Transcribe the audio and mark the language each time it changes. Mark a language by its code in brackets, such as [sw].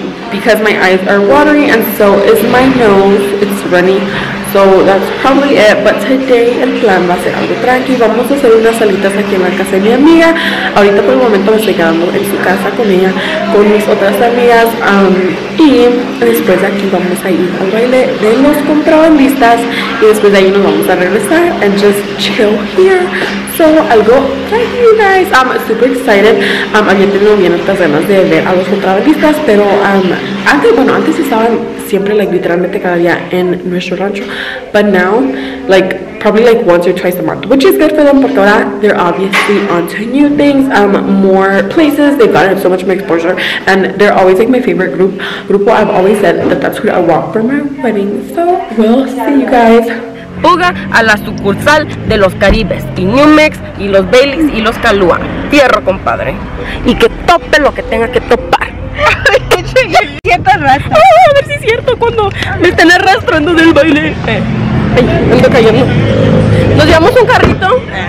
[en] Because my eyes are watery and so is my nose. It's runny. So that's probably it. But today [es] el plan va a ser algo tranqui. Vamos a hacer unas salitas aquí en la casa de mi amiga. Ahorita por el momento me estoy quedando en su casa con ella, con mis otras amigas. Y después de aquí vamos a ir al baile de los contrabandistas. Y después de ahí nos vamos a regresar [en] and just chill here. [es] So algo tranqui, [en] you guys. I'm super excited. [es] Había tenido bien estas ganas de ver a los contrabandistas, pero antes estaban siempre, like, literalmente cada día en nuestro rancho. [en] But now, like, probably like once or twice a month, which is good for them, [es] porque ahora [en] they're obviously onto new things, more places. They've gotten so much more exposure, and they're always like my favorite group. Grupo, I've always said that that's who I want for my wedding. So we'll see you guys. [es] Fuga a la sucursal de los Caribes y New Mex y los Baileys y los Calúa. Fierro, compadre. Y que tope lo que tenga que topar. ¿Qué rastro? Oh, a ver si es cierto cuando me están arrastrando del baile. Ay, me estoy cayendo. ¿Nos llevamos un carrito?